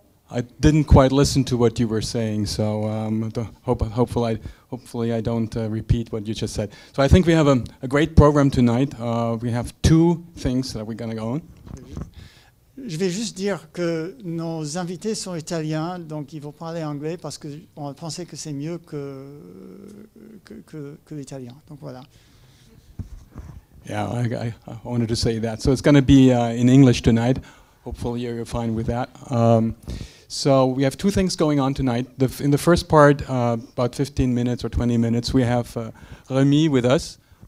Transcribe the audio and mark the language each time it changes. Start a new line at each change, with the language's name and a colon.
English: I didn't quite listen to what you were saying, so hopefully I don't repeat what you just said. So I think we have a great program tonight. We have two things that we're going to go on.
French: Je vais juste dire que nos invités sont italiens, donc ils vont parler anglais parce que on pensait que c'est mieux que l'italien. Donc voilà.
English: Yeah, I wanted to say that. So it's going to be in English tonight. Hopefully you're fine with that. So we have two things going on tonight. In the first part, about 15 minutes or 20 minutes, we have Rémi with us.